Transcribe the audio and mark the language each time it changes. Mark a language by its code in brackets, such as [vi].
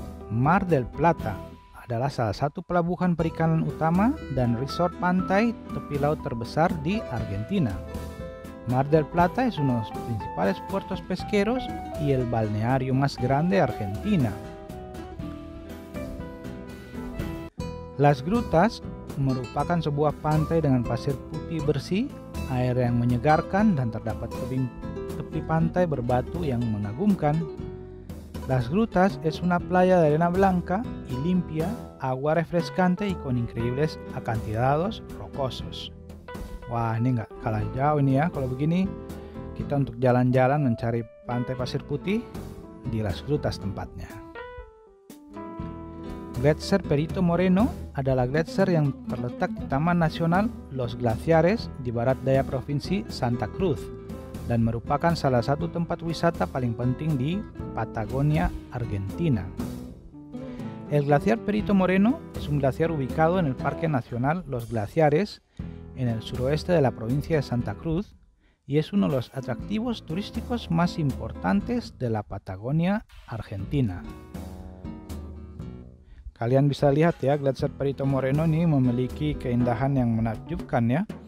[id] Mar del Plata adalah salah satu pelabuhan perikanan utama dan resort pantai tepi laut terbesar di Argentina. [es] Mar del Plata es uno de los principales puertos pesqueros y el balneario más grande de Argentina. [id] Las Grutas merupakan sebuah pantai dengan pasir putih bersih, air yang menyegarkan, dan terdapat tepi pantai berbatu yang mengagumkan. [es] Las Grutas es una playa de arena blanca y limpia, agua refrescante y con increíbles acantilados rocosos. [id] Wah, ini nggak kalah jauh ini ya. Kalau begini, kita untuk jalan-jalan mencari pantai pasir putih di Las Grutas tempatnya. Gletser Perito Moreno adalah gletser yang terletak di Taman Nasional Los Glaciares di barat daya Provinsi Santa Cruz dan merupakan salah satu tempat wisata paling penting di Patagonia, Argentina. [es] El Glaciar Perito Moreno es un glaciar ubicado en el Parque Nacional Los Glaciares en el suroeste de la provincia de Santa Cruz y es uno de los atractivos turísticos más importantes de la Patagonia, Argentina. [id] Kalian bisa lihat ya, Gletser Perito Moreno ini memiliki keindahan yang menakjubkan ya.